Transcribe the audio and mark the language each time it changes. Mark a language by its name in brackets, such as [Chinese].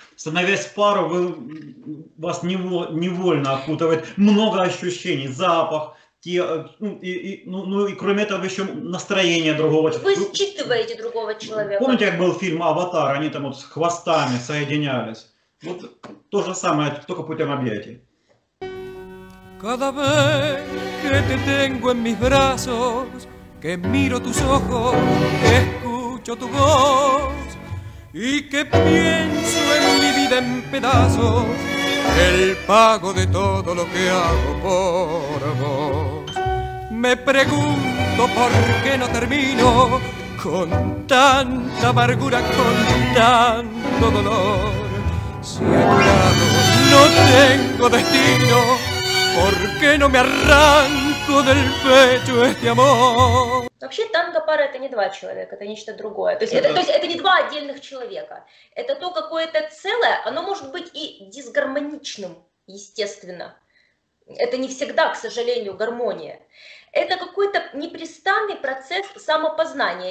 [Russian] Становясь в пару, вас невольно окутывает много ощущений, запах. И кроме этого, еще настроение другого человека. Вы считываете другого человека. Помните, как был фильм «Аватар»? Они там вот с хвостами соединялись. Вот то же самое, только путем объятий. [Spanish] Cada vez que te tengo en mis brazos, que miro tus ojos, que escucho tu voz, y que pienso en mi vida en pedazos, el pago de todo lo que hago por vos. Me pregunto por qué no termino con tanta amargura, con tanto dolor. Si a tu lado no tengo destino, ¿por qué no me arranco del pecho este amor? [Russian] Вообще танго-пара — это не два человека, это нечто другое. То есть это... то есть это не два отдельных человека. Это то какое-то целое, оно может быть и дисгармоничным, естественно. Это не всегда, к сожалению, гармония. Это какой-то непрестанный процесс самопознания.